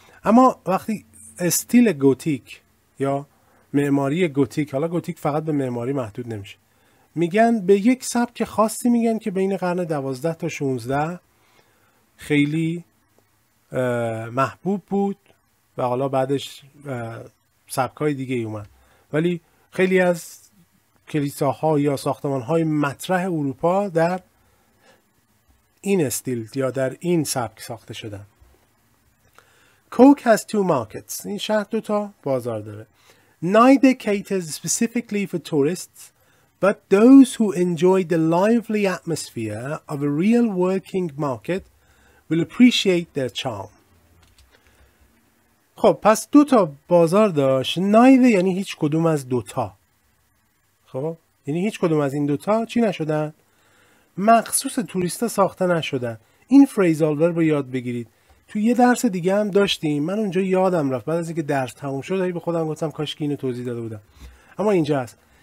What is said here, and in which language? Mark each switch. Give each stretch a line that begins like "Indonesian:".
Persian: اما وقتی استیل گوتیک یا معماری گوتیک، حالا گوتیک فقط به معماری محدود نمیشه، میگن به یک سبک خاصی میگن که بین قرن 12 تا 16 خیلی محبوب بود و حالا بعدش سبکای دیگه اومد. ولی خیلی از کلیساها یا ساختمانهای مطرح اروپا در این استیل یا در این سبک ساخته شدن.
English: Coke has two markets.
Persian: این شهر دوتا بازار داره.
English: Neither caters specifically for tourists, but those who enjoy the lively atmosphere of a real working market will appreciate their charm.
Persian: خب پس دوتا بازار داشت. Neither یعنی هیچ کدوم از دوتا. خب یعنی هیچ کدوم از این دوتا چی نشدن؟ مخصوص توریستا ساخته نشدن. این فریزال ورب رو یاد بگیرید. تو یه درس دیگه هم داشتیم، من اونجا یادم رفت بعد از اینکه درس تموم شد به خودم گفتم کاش که اینو توضیح داده بودم. اما اینجا هست.